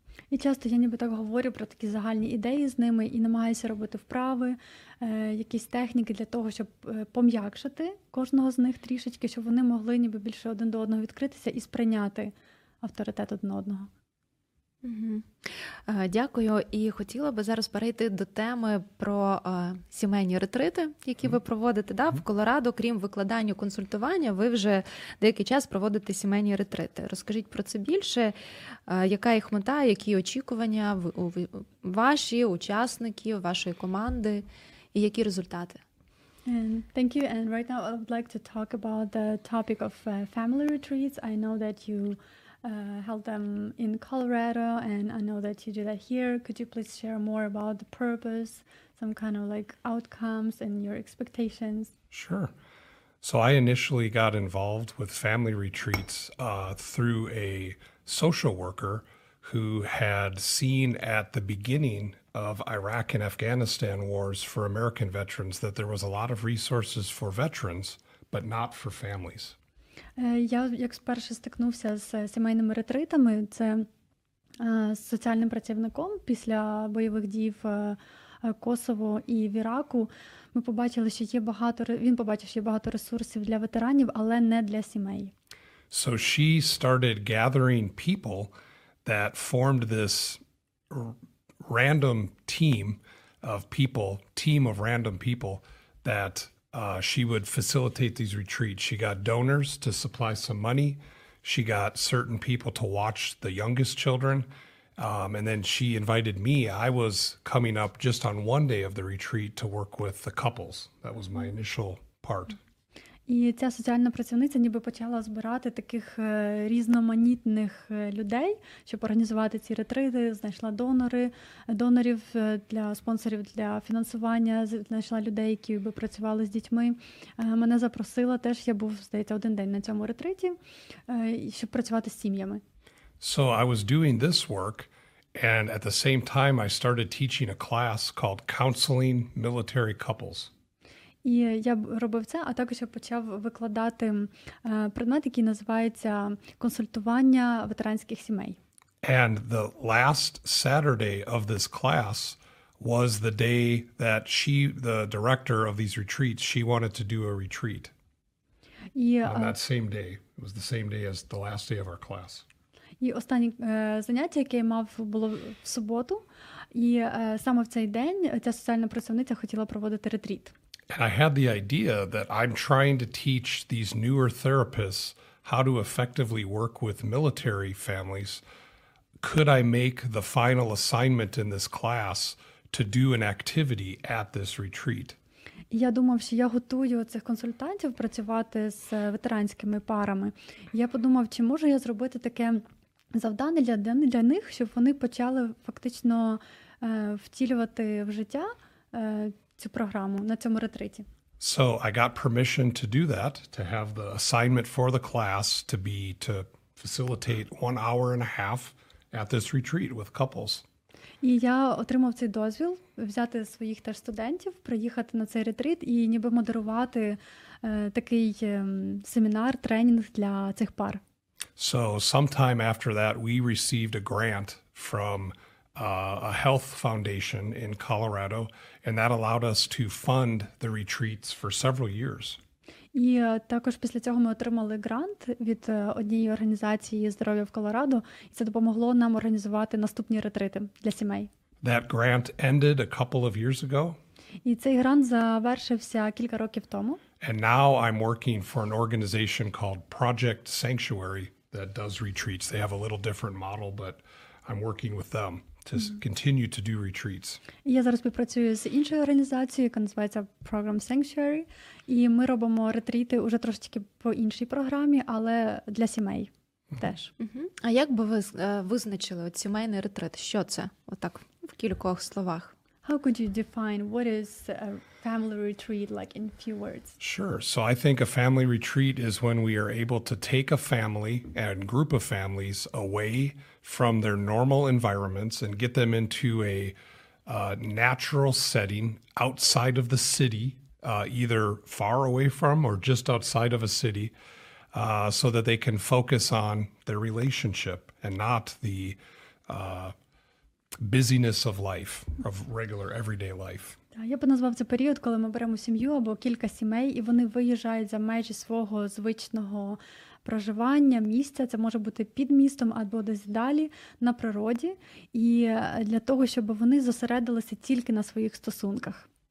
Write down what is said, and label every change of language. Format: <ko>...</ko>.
<uk>І часто я ніби так говорю про такі загальні ідеї з ними і намагаюся робити вправи, якісь техніки для того, щоб пом'якшити кожного з них трішечки, щоб вони могли ніби більше один до одного відкритися і сприйняти авторитет один одного. Дякую. І хотіла би зараз перейти до теми про сімейні ретрити, які ви проводите. Да? В Колорадо, крім викладання консультування, ви вже деякий час проводите сімейні ретрити. Розкажіть про це більше. Яка їх мета, які очікування у ваші учасників, вашої команди і які результати?</uk> <en>And thank you. And right now I would like to talk about the topic of family retreats. I know that you held them in Colorado, and I know that you do that here. Could you please share more about the purpose, some kind of like outcomes and your expectations? Sure. So I initially got involved with family retreats through a social worker who had seen at the beginning of Iraq and Afghanistan wars for American veterans that there was a lot of resources for veterans, but not for families.</en> <uk>Я як вперше стикнувся з сімейними ретритами, це з соціальним працівником після бойових дій в Косово і в Іраку. Ми побачили, що є багато, він побачив, що є багато ресурсів для ветеранів, але не для сімей.</uk> <en>So she started gathering people that formed this random team of people, that she would facilitate these retreats. She got donors to supply some money. She got certain people to watch the youngest children. And then she invited me. I was coming up just on one day of the retreat to work with the couples. That was my initial part.</en> <uk>І ця соціальна працівниця ніби почала збирати таких різноманітних людей, щоб організувати ці ретрити, знайшла донорів для спонсорів для фінансування, знайшла людей, які би працювали з дітьми. Мене запросила теж, я був, здається, один день на цьому ретриті, щоб працювати з сім'ями.</uk> <en>So I was doing this work, and at the same time I started teaching a class called Counseling Military Couples.</en> <uk>І я робив це, а також я почав викладати предмет, який називається консультування ветеранських сімей.</uk> <en>And the last Saturday of this class was the day that she, the director of these retreats, she wanted to do a retreat. Yeah. On that same day. It was the same day as the last day of our class.</en> <uk>І останнє заняття, яке я мав, було в суботу. І саме в цей день ця соціальна працівниця хотіла проводити ретріт.</uk> <en>And I had the idea that I'm trying to teach these newer therapists how to effectively work with military families. Could I make the final assignment in this class to do an activity at this retreat?</en> <uk>Я думав, що я готую цих консультантів працювати з ветеранськими парами. Я подумав, чи можу я зробити таке завдання для них, щоб вони почали фактично втілювати в життя цю програму на цьому ретриті.</uk> <en>So I got permission to do that, to have the assignment for the class to be to facilitate 1.5 hours at this retreat with couples.</en> <uk>І я отримав цей дозвіл взяти своїх теж студентів, приїхати на цей ретрит і ніби модерувати такий семінар, тренінг для цих пар.</uk> <en>So sometime after that we received a grant from a health foundation in Colorado, and that allowed us to fund the retreats for several years.</en> <uk>І також після цього ми отримали грант від однієї організації здоров'я в Колорадо, і це допомогло нам організувати наступні ретрити для сімей.</uk> <en>That grant ended a couple of years ago.</en> <uk>І цей грант завершився кілька років тому.</uk> <en>And now I'm working for an organization called Project Sanctuary that does retreats. They have a little different model, but I'm working with them to continue to do retreats.</en> <uk>Я зараз співпрацюю з іншою організацією, яка називається Program Sanctuary, і ми робимо ретрити уже трошки по іншій програмі, але для сімей теж. А як би ви визначили от сімейний ретрит? Що це? Отак в кількох словах.</uk> <en>How could you define what is a family retreat like in few words? Sure. So I think a family retreat is when we are able to take a family and group of families away from their normal environments and get them into a natural setting outside of the city, either far away from or just outside of a city, so that they can focus on their relationship and not the busyness of life, of regular everyday life.</en> <uk>Я б назвав це період, коли ми беремо сім'ю або кілька сімей, і вони виїжджають за межі свого звичного проживання, місця. Це може бути під містом або десь далі, на природі. І для того, щоб вони зосередилися тільки на своїх стосунках.</uk>